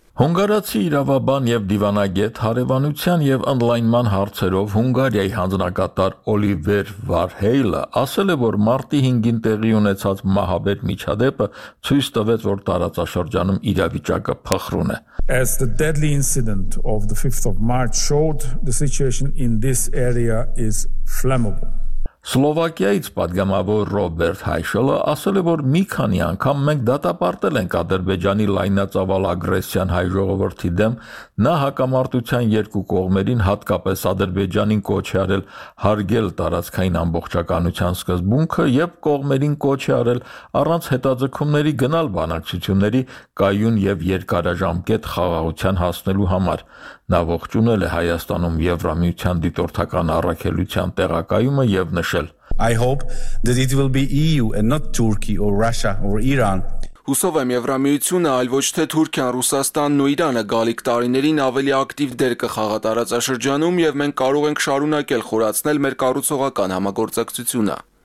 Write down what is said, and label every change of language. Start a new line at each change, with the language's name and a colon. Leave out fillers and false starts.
Armenian: Հունգարացի իրավաբան եւ դիվանագետ հարևանության եւ ընդլայնման հարցերով Հունգարիայի հանձնակատար Օլիվեր Վարհեյլը ասել է, որ մարտի 5-ին տեղի ունեցած մահաբեր միջադեպը ցույց տվեց, որ տարածաշրջանում իրավիճակը փխրուն է.
English: As the deadly incident of the 5th of March showed, the situation in this area is flammable.
Armenian: Սլովակիայից պատգամավոր Ռոբերտ Հայշելը ասել է, որ մի քանի անգամ մենք դատապարտել ենք Ադրբեջանի լայնածավալ ագրեսիան հայ ժողովրդի դեմ, նա հակամարտության երկու կողմերին, հատկապես Ադրբեջանին կոչ արել հարգել տարածքային ամբողջականության սկզբունքը եւ կողմերին կոչ արել առանց հետաձգումների գնալ բանակցությունների կայուն եւ երկարաժամկետ խաղաղության հասնելու համար։ Նա ողջունել է Հայաստանում Եվրամիության դիտորդական առաքելության տեղակայումը եւ նշել.
English: I hope that it will be EU and not Turkey or Russia or Iran.
Armenian: Հուսով եմ Եվրամիությունը, այլ ոչ թե Թուրքիան, Ռուսաստանն ու Իրանը գալիք տարիներին ավելի ակտիվ դեր կխաղա տարածաշրջանում եւ մենք կարող ենք շարունակել խորացնել մեր կառուցողական համագործակցությունը։